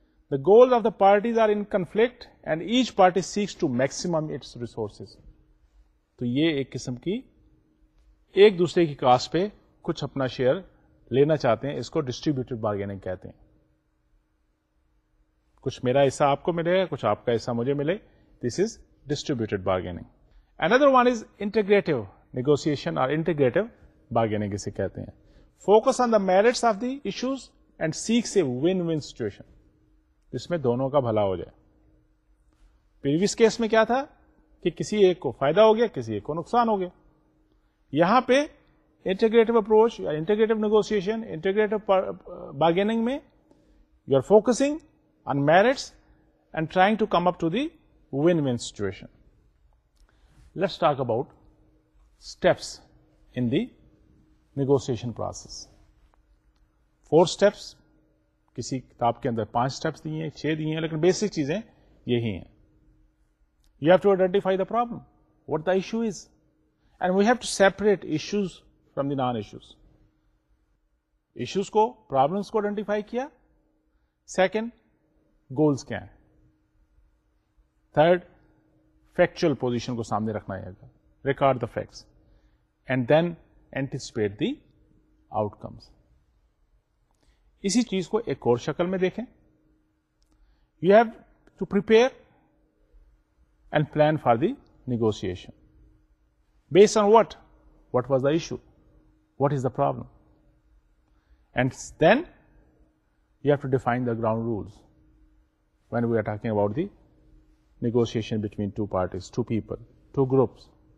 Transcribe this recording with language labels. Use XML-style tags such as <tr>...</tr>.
<en>The goals of the parties are in conflict and each party seeks to maximum its resources.</en> <ur>تو یہ ایک قسم کی ایک دوسرے کی کاس پہ کچھ اپنا شیئر لینا چاہتے ہیں, اس کو ڈسٹریبیوٹیڈ بارگیننگ کہتے ہیں. کچھ میرا حصہ آپ کو ملے گا, کچھ آپ کا حصہ مجھے ملے,</ur> <en>This is distributed bargaining. Another one is integrative negotiation or integrative bargaining</en> <ur>اسے کہتے ہیں.</ur> <en>Focus on the merits of the issues and seeks a win-win situation.</en> <ur>اس میں دونوں کا بھلا ہو جائے. پریویس کیس میں کیا تھا کہ کسی ایک کو فائدہ ہو گیا, کسی ایک کو نقصان ہو گیا. یہاں پہ انٹیگریٹو اپروچ یا انٹیگریٹو نیگوسیشن, انٹیگریٹو بارگیننگ میں</ur> <en>You are focusing on merits and trying to come up to the win win situation. Let's talk about steps in the negotiation process.</en> <ur>Four steps, کسی کتاب کے اندر پانچ steps دیے ہیں, چھ دیے ہیں, لیکن بیسک چیزیں یہی ہیں.</ur> <en>You have to identify the problem, what the issue is, and we have to separate issues from the non issues.</en> <ur>Issues کو, پرابلمس کو آئیڈینٹیفائی کیا. سیکنڈ, گولس کیا ہیں. تھرڈ, فیکچوئل پوزیشن کو سامنے رکھنا ہے,</ur> <en>Record the facts, and then anticipate the outcomes.</en> <ur>اسی چیز کو ایک اور شکل میں دیکھیں.</ur> <en>You have to prepare and plan for the negotiation base on what, what was the issue, what is the problem, and then you have to define the ground rules when we are talking about the negotiation between two parties, two people, two groups.</en>